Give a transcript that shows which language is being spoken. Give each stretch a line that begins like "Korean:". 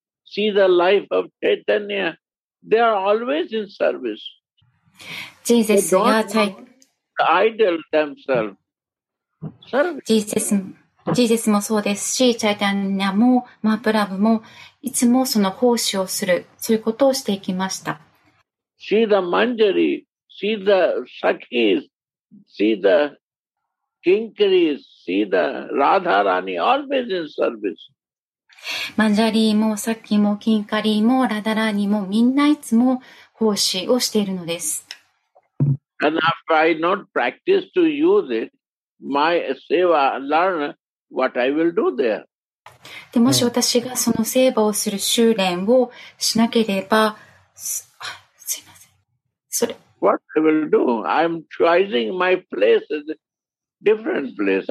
English: See the life of Chaitanya. They are always in service.
Japanese: ジーゼスや
English: idle themselves.
Japanese: ジーゼスもそうですし、チャイタンニャもマープラブもいつもその奉仕をする、そういうことをしていきました。
English: See the Manjari, see the Sakhis, see the Kinkaris, see the Radharani, always in service.
Japanese: マンジャリーもサッキーもキンカリーもラダラーニもみんないつも奉仕をしているのです。
English: And if I not practice to use it, my seva learner,What I will do there.
Japanese: でもし私がそのセーバーをする修練をしなければ、すいません。それ。
English: What I will do? I'm choosing my place as a different place.